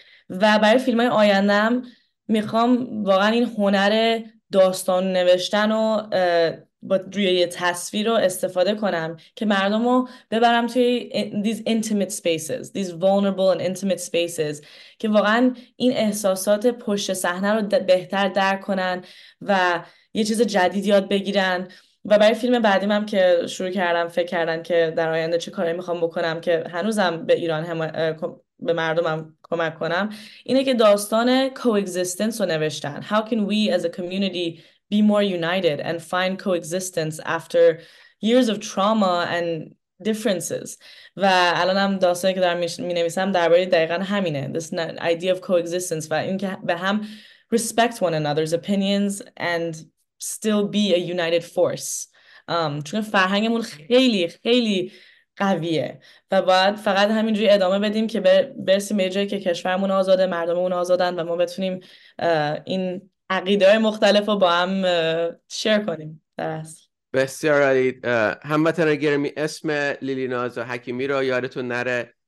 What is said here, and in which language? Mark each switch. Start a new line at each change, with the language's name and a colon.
Persian: و برای فیلم های آیندم میخوام واقعا این هنر داستان نوشتن و با روی یه تصویر رو استفاده کنم که مردم رو ببرم توی
English: these intimate spaces, these vulnerable and intimate spaces
Persian: که واقعا این احساسات پشت صحنه رو بهتر درک کنن و یه چیز جدید یاد بگیرن. و برای فیلم بعدیم هم که شروع کردم فکر کردن که در آینده چه کاری میخوام بکنم که هنوزم به ایران به مردمم کمک کنم، اینه که داستان coexistence رو نوشتن.
English: How can we as a community be more united and find coexistence after years of trauma and differences.
Persian: و الانم داستانی که دارم می‌نویسم درباره دقیقاً همینه.
English: This idea of coexistence
Persian: و اینکه به هم
English: respect one another's opinions and still be a united force.
Persian: چون فرهنگمون خیلی خیلی قویه و باید فقط همینجوری ادامه بدیم که برسیم به جایی که کشورمون آزاده، مردممون آزادن و ما بتونیم این عقیده های مختلف رو با هم شیر کنیم. در اصل بسیار عالی. هموطنان گرامی، اسم لیلیناز و حکیمی رو یادتون نره.